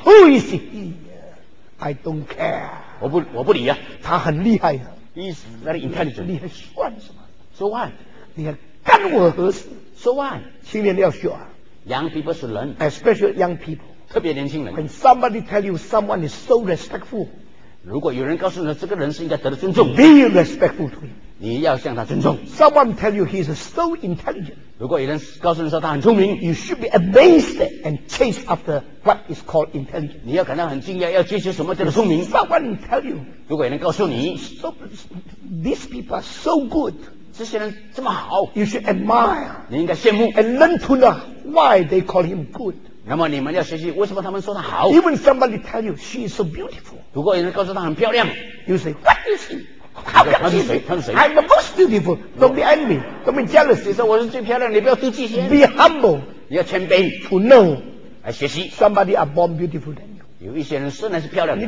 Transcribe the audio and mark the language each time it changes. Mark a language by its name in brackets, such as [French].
[English] Who is he? I don't care. [Chinese] 我不理啊。他很厉害的。 [English] He's very intelligent. [Chinese] 你还算什么 [English] So what? [Chinese] 你还干我何事 [English] So what? [Chinese] 青年要学啊。 [English] Young people should learn. Especially young people. [Chinese] 特别年轻人。 [English] When somebody tell you someone is so respectful. [Chinese] 如果有人告诉你这个人是应该得的尊重。 [English] Be respectful to him. [Chinese] 你要向他尊重。 [English] Someone tell you he is so intelligent. [Chinese] 如果有人告诉你说他很聪明 [English] ，You should be amazed and chase after what is called intelligent. [Chinese] 你要感到很惊讶，要追求什么叫做聪明。 [English] Someone tell you. [Chinese] 如果有人告诉你 [English] ，These people are so good. [Chinese] 这些人这么好 [English] ，You should admire. [Chinese] 你应该羡慕。 [English] And learn to know why they call him good. [Chinese] 那么你们要学习为什么他们说他好。 [English] Even somebody tell you she is so beautiful. [Chinese] 如果有人告诉他很漂亮 [English] ，You say what is she? [Chinese] 他是谁？他是谁 [English] ？I'm the most beautiful. Don't be envy. Don't be jealous. [Chinese] 你说我是最漂亮，你不要妒忌先。 [English] Be humble. [Chinese] 你要谦卑。 [English] To know. [Chinese] 来学习。 [English] Somebody are born beautiful than you. [Chinese] 有一些人虽然是漂亮的，